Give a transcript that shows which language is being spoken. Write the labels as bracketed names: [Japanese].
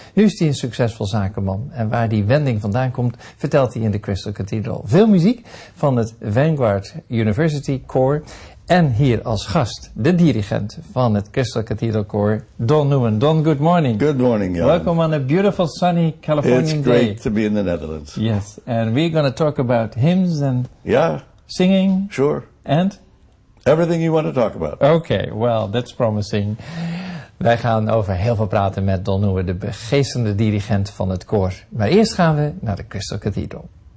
[Dutch] Nu is hij een succesvol zakenman. En waar die wending vandaan komt, vertelt hij in de Crystal Cathedral. Veel muziek van het Vanguard University Choir. En hier als gast, de dirigent van het Crystal Cathedral Choir, Don Newman. [English] Don, good morning. Good morning, Jan. Welcome on a beautiful, sunny Californian day. It's great to be in the Netherlands. Yes, and we're going to talk about hymns and singing. Sure. And? Everything you want to talk about. Okay, well, that's promising. [Dutch] Wij gaan over heel veel praten met Don Newman, de begeestende dirigent van het koor. Maar eerst gaan we naar de Crystal Cathedral.